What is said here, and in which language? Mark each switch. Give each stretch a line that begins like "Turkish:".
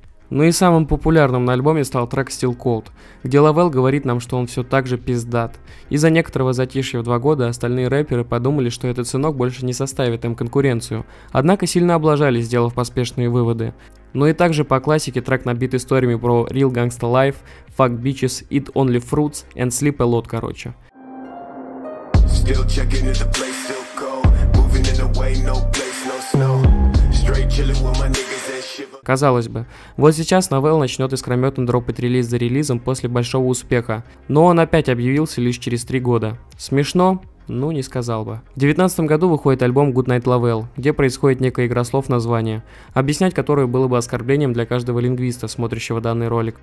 Russian: Ну и самым популярным на альбоме стал трек «Still Cold», где Лавелл говорит нам, что он все так же пиздат. Из-за некоторого затишья в 2 года остальные рэперы подумали, что этот сынок больше не составит им конкуренцию, однако сильно облажались, сделав поспешные выводы. Ну и также по классике трек набит историями про
English: «Real Gangsta Life», «Fuck Bitches», «Eat Only Fruits» and «Sleep A Lot»,
Russian: короче.
English: Still checking in the place, still cold. Moving in the way, no place, no snow. Straight chilling with my niggas.
Russian: Казалось бы, вот сейчас Лавелл начнет искрометно дропать релиз за релизом после большого успеха, но он опять объявился лишь через 3 года. Смешно? Ну, не сказал бы. В 2019 году выходит альбом «Goodnight Lavelle», где происходит некая игра слов названия, объяснять которую было бы оскорблением для каждого лингвиста, смотрящего данный ролик.